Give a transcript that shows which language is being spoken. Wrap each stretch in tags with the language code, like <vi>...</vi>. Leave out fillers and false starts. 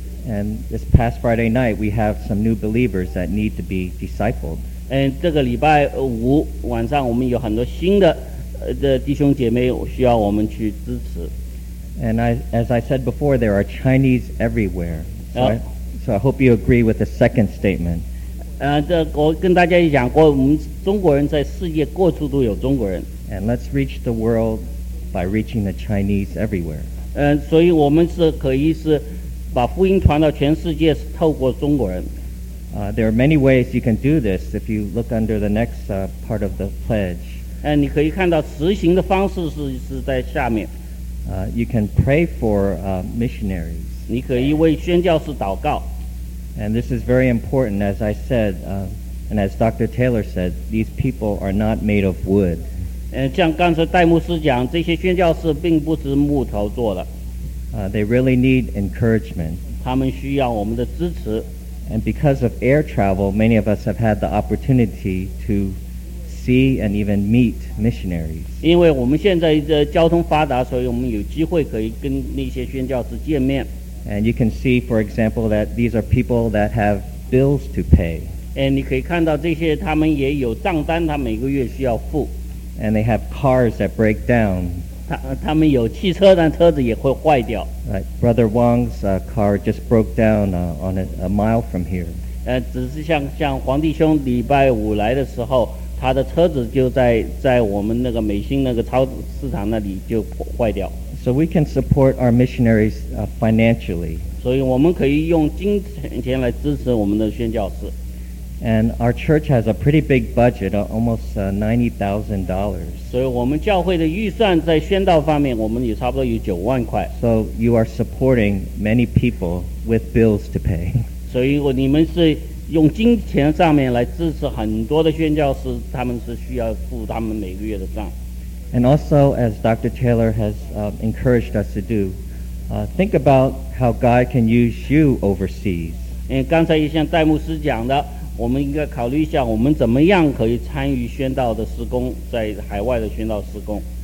<en>And this past Friday night, we have some new believers that need to be discipled.</en> <zh>这个礼拜五晚上我们有很多新的的弟兄姐妹需要我们去支持。</zh> <en>And as I said before, there are Chinese everywhere. So I hope you agree with the second statement.</en> <zh>我跟大家讲过，我们中国人在世界各处都有中国人。</zh> <en>And let's reach the world by reaching the Chinese everywhere.</en> <zh>所以我们是可以是把福音传到全世界，是透过中国人。</zh> <en>There are many ways you can do this if you look under the next part of the pledge.</en> <zh>你可以看到实行的方式是在下面。</zh> <en>You can pray for missionaries.</en> <zh>你可以为宣教士祷告。</zh> <en>And this is very important, as I said, and as Dr. Taylor said, these people are not made of wood.</en> <zh>像刚才戴牧师讲，这些宣教士并不是木头做的。</zh> <en>They really need encouragement.</en> <zh>他们需要我们的支持。</zh> <en>And because of air travel, many of us have had the opportunity to see and even meet missionaries.</en> <zh>因为我们现在的交通发达，所以我们有机会可以跟那些宣教士见面。</zh> <en>And you can see, for example, that these are people that have bills to pay.</en> <zh>And 你可以看到这些他们也有账单，他每个月需要付。</zh> <en>And they have cars that break down.</en> <zh>他们有汽车，但车子也会坏掉。</zh> <en>Like Brother Wang's car just broke down on a mile from here.</en> <zh>只是像黄弟兄礼拜五来的时候，他的车子就在我们那个美心那个超市场那里就坏掉。</zh> <en>So we can support our missionaries financially.</en> <zh>所以我们可以用金钱来支持我们的宣教士。</zh> <en>And our church has a pretty big budget, almost $90,000.</en> <zh>所以我们教会的预算在宣道方面，我们也差不多有90,000块。</zh> <en>So you are supporting many people with bills to pay.</en> <zh>所以你们是用金钱上面来支持很多的宣教士，他们是需要付他们每个月的账。</zh> <en>And also, as Dr. Taylor has encouraged us to do, think about how God can use you overseas.</en> <zh>刚才也像戴牧师讲的，我们应该考虑一下我们怎么样可以参与宣道的施工，在海外的宣道施工。</zh>